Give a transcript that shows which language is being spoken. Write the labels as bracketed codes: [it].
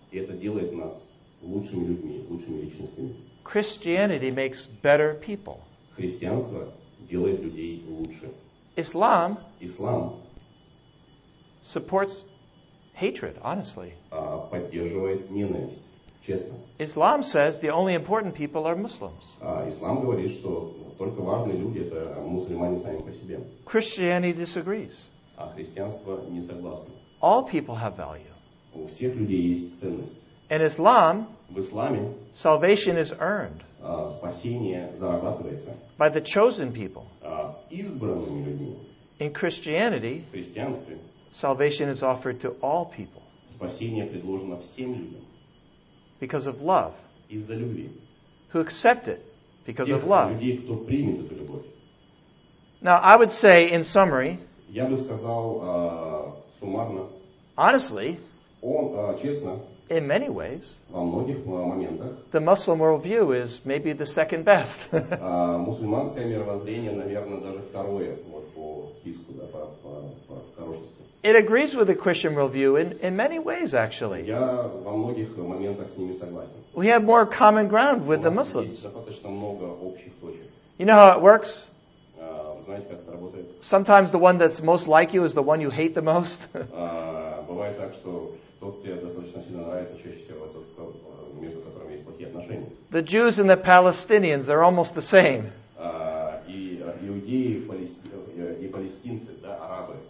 [ru] И это делает нас лучшими людьми, лучшими личностями. [en] Christianity makes better people. [ru] Христианство делает людей лучше. [en] Islam. [ru] Ислам. [en] Supports hatred, honestly. [ru] Поддерживает ненависть. Честно. [en] Islam says the only important people are Muslims. [ru] Ислам говорит, что только важные люди это мусульмане сами по себе. [en] Christianity disagrees. [ru] А христианство не согласно. [en] All people have value. [ru] У всех людей есть ценность. [en] In Islam, [ru] в исламе, [en] salvation is earned. [ru] Спасение зарабатывается. [en] By the chosen people. [ru] Избранными людьми. [en] In Christianity, [ru] в христианстве, [en] salvation is offered to all people. [ru] Спасение предложено всем людям. [en] Because of love. [ru] Из-за любви. [en] Who accept it because [ru] Тех [en] of love. [ru] Людей, кто примет эту любовь. [en] Now, I would say, in summary, [ru] я бы сказал, суммарно, [en] honestly, [ru] честно, [en] in many ways, [ru] во многих моментах, [en] the Muslim worldview is maybe the second best. [ru] Мусульманское мировоззрение, наверное, даже второе вот, по списку, да, по хорошеству. [en] It agrees with the Christian worldview in many ways, actually. [ru] Я во многих моментах с ними согласен. [en] We have more common ground with the Muslims. [ru] У нас есть достаточно много общих точек. [en] You know how it works? [ru] Знаете, как это работает? [en] Sometimes the one that's most like you is the one you hate the most. [ru] Бывает так, что тот, кто тебе достаточно сильно нравится, чаще всего тот, кто, между которыми есть плохие отношения. [en] The Jews and the Palestinians, they're almost the same. [ru] Иудеи и палестинцы, да, арабы.